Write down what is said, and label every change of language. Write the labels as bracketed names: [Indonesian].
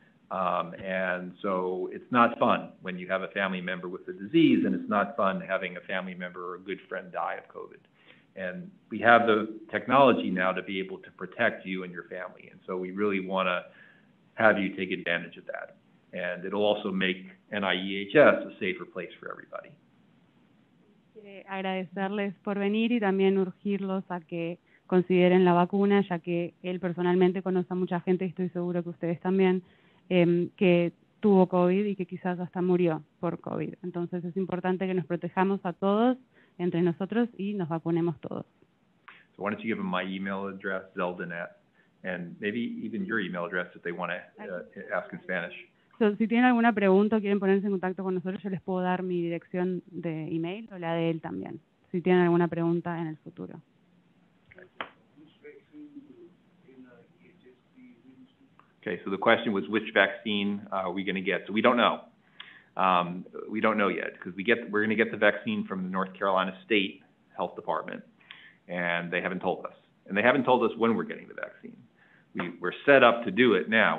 [English] And so it's not fun when you have a family member with the disease, and it's not fun having a family member or a good friend die of COVID. And we have the technology now to be able to protect you and your family. And so we really want to have you take advantage of that. And it'll also make NIEHS a safer place for everybody. [Spanish] Agradecerles por venir y también urgirlos a que consideren la vacuna, ya que él personalmente conoce a mucha gente, y estoy seguro que ustedes también, que tuvo COVID y que quizás hasta murió por COVID. Entonces es importante que nos protejamos a todos entre nosotros y nos vacunemos todos. [English] So why don't you give them my email address, Zeldin, and maybe even your email address if they want to ask in Spanish. [Spanish] So, si tienen alguna pregunta o quieren ponerse en contacto con nosotros, yo les puedo dar mi dirección de email o la de él también, si tienen alguna pregunta en el futuro. [English] Okay, so the question was, which vaccine are we going to get? So we don't know. We don't know yet, because we're going to get the vaccine from the North Carolina State Health Department, and they haven't told us. And they haven't told us when we're getting the vaccine. We're set up to do it now.